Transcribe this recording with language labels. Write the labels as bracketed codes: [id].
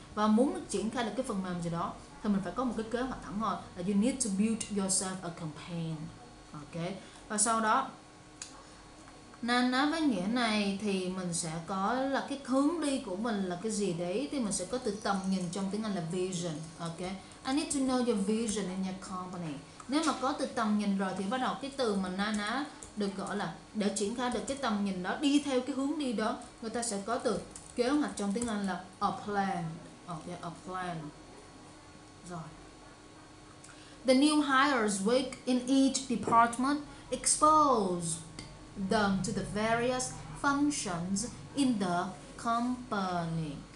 [vi] Và muốn triển khai được cái phần mềm gì đó thì mình phải có một cái kế hoạch thẳng hơn là [en] you need to build yourself a campaign, [vi] ok? Và sau đó nên nói với nghĩa này thì mình sẽ có là cái hướng đi của mình là cái gì đấy, thì mình sẽ có từ tầm nhìn trong tiếng Anh là vision, ok? [en] I need to know your vision in your company. [vi] Nếu mà có từ tầm nhìn rồi thì bắt đầu cái từ mà na ná được gọi là để triển khai được cái tầm nhìn đó, đi theo cái hướng đi đó, người ta sẽ có từ kế hoạch trong tiếng Anh là a plan, ok? [en] A plan. The new hires work in each department exposed them to the various functions in the company.